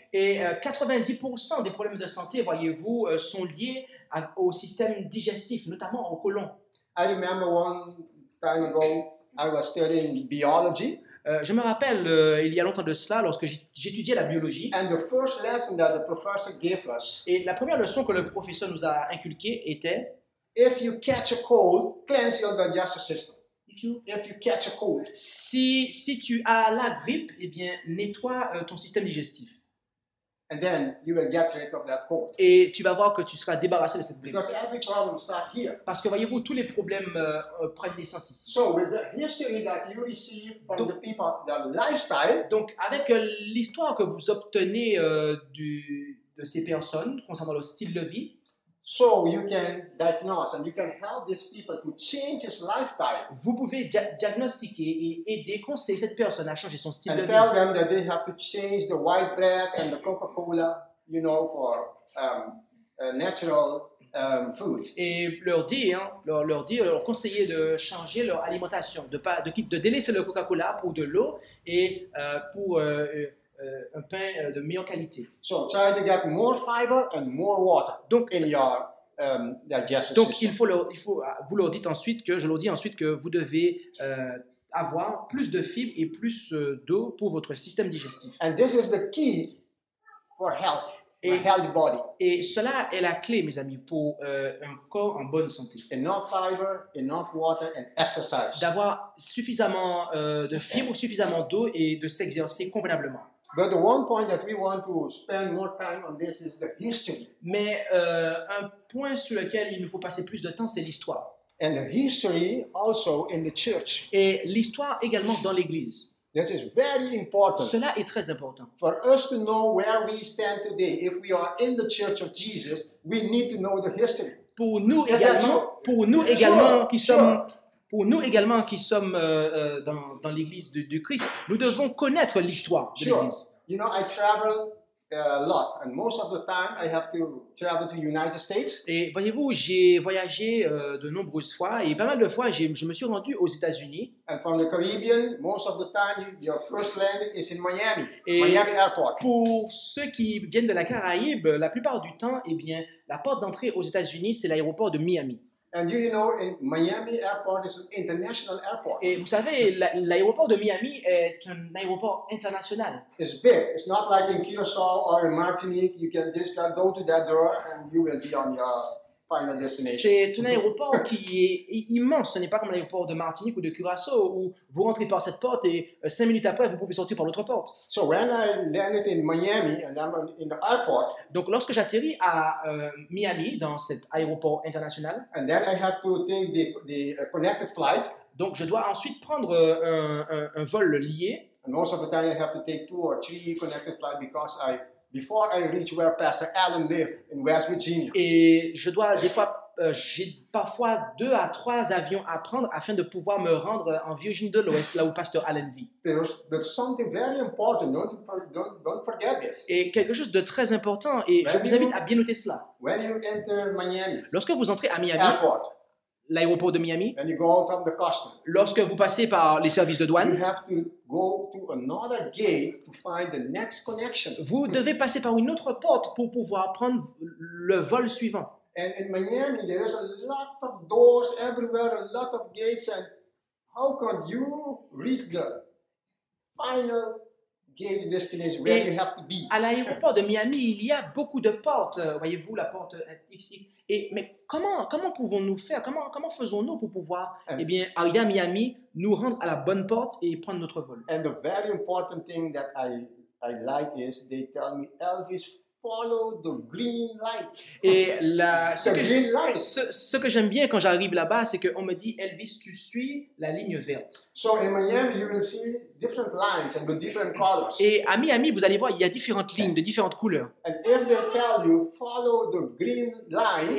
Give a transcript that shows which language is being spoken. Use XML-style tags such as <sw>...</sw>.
<fr>Et 90% des problèmes de santé, voyez-vous, sont liés au système digestif, notamment au colon.</fr> <en>I remember one time ago, I was studying biology.</en> <fr>Je me rappelle il y a longtemps de cela lorsque j'étudiais la biologie.</fr> <en>And the first lesson that the professor gave us.</en> <fr>Et la première leçon que le professeur nous a inculquée était.</fr> <en>If you catch a cold, cleanse your digestive system. If you catch a cold.</en> <fr>Si tu as la grippe, eh bien nettoie ton système digestif.</fr> <en>And then you will get rid of that cold.</en> <fr>Et tu vas voir que tu seras débarrassé de cette grippe.</fr> <en>Because every problem starts here.</en> <fr>Parce que voyez-vous, tous les problèmes prennent naissance ici.</fr> <en>So with the history that you receive from the people, the lifestyle.</en> <fr>Donc avec l'histoire que vous obtenez de ces personnes concernant le style de vie.</fr> <en>So you can diagnose and you can help these people to change his lifestyle.</en> <fr>Vous pouvez diagnostiquer et aider, conseiller cette personne à changer son style de vie.</fr> <en>And tell them that they have to change the white bread and the Coca-Cola, you know, for natural food.</en> <fr>Et leur dire, hein, leur conseiller de changer leur alimentation, de délaisser le Coca-Cola pour de l'eau et pour un pain de meilleure qualité.</fr> <en>So try to get more fiber and more water.</en> <fr>Donc,</fr> <en>in your digestion.</en> <fr>Donc je leur dis ensuite que vous devez avoir plus de fibres et plus d'eau pour votre système digestif.</fr> <en>And this is the key for health. Et, a healthy body.</en> <fr>Et cela est la clé, mes amis, pour un corps en bonne santé.</fr> <en>Enough fiber, enough water, and exercise.</en> <fr>D'avoir suffisamment de fibres, suffisamment d'eau et de s'exercer convenablement.</fr> <en>But the one point that we want to spend more time on this is the history.</en> <fr>Mais un point sur lequel il nous faut passer plus de temps, c'est l'histoire.</fr> <en>And the history also in the church.</en> <fr>Et l'histoire également dans l'Église.</fr> <en>This is very important.</en> <fr>Cela est très important.</fr> <en>For us to know where we stand today, if we are in the Church of Jesus, we need to know the history.</en> <fr>Pour nous également qui sommes dans l'Église de Christ, nous devons connaître l'histoire de l'Église.</fr> <en>Sure. You know, I travel a lot, and most of the time I have to travel to the United States.</en> <fr>Et voyez-vous, j'ai voyagé de nombreuses fois, et pas mal de fois, je me suis rendu aux États-Unis.</fr> <en>And from the Caribbean, most of the time, your first land is in Miami, Miami Airport.</en> <fr>Pour ceux qui viennent de la Caraïbe, la plupart du temps, eh bien, la porte d'entrée aux États-Unis, c'est l'aéroport de Miami.</fr> <en>And you know, Miami Airport is an international airport.</en> <fr>Et vous savez, l'aéroport de Miami est un aéroport international.</fr> <en>It's big. It's not like in Curaçao or in Martinique. You can just go to that door and you will be on your final destination.</en> <fr>C'est un aéroport qui est immense. Ce n'est pas comme l'aéroport de Martinique ou de Curaçao où vous rentrez par cette porte et cinq minutes après, vous pouvez sortir par l'autre porte.</fr> <en>So when I landed in Miami and I'm in the airport.</en> <fr>Donc lorsque j'atterris à Miami dans cet aéroport international.</fr> <en>And then I have to take the connected flight.</en> <fr>Donc je dois ensuite prendre un vol lié.</fr> <en>And most of the time I have to take two or three connected flights because I... Before I reach where Pastor Allen lived in West Virginia.</en> <fr>Et je dois des fois, j'ai parfois deux à trois avions à prendre afin de pouvoir me rendre en Virginie de l'Ouest, là où Pastor Allen vit.</fr> <en>But something very important. Don't forget this.</en> <fr>Et quelque chose de très important. Et</fr> <en>when</en> <fr>je vous invite à bien noter cela.</fr> <en>When you enter Miami.</en> <fr>Lorsque vous entrez à Miami.</fr> <en>Airport.</en> <fr>L'aéroport de Miami.</fr> <en>And you go out of the customs.</en> <fr>Lorsque vous passez par les services de douane.</fr> <en>You have to go to another gate to find the next connection.</en> <fr>Vous devez passer par une autre porte pour pouvoir prendre le vol suivant.</fr> <en>And in Miami, there is a lot of doors everywhere, a lot of gates, and how can you reach the final gate destination where</en> <fr>et</fr> <en>you have to be?</en> <fr>À l'aéroport de Miami, il y a beaucoup de portes. Voyez-vous la porte ici. Mais comment pouvons-nous faire? Comment faisons-nous pour pouvoir arriver à Miami, nous rendre à la bonne porte et prendre notre vol?</fr> <en>And the very important thing that I like is they tell me Elvis follow the green light.</en> <fr>Et ce que j'aime bien quand j'arrive là-bas, c'est qu'on me dit Elvis, tu suis la ligne verte.</fr> <en>So in Miami, you will see different lines and the different colors.</en> <fr>Et à Miami, vous allez voir, il y a différentes lignes de différentes couleurs.</fr> <en>And if they tell you follow the green line.</en>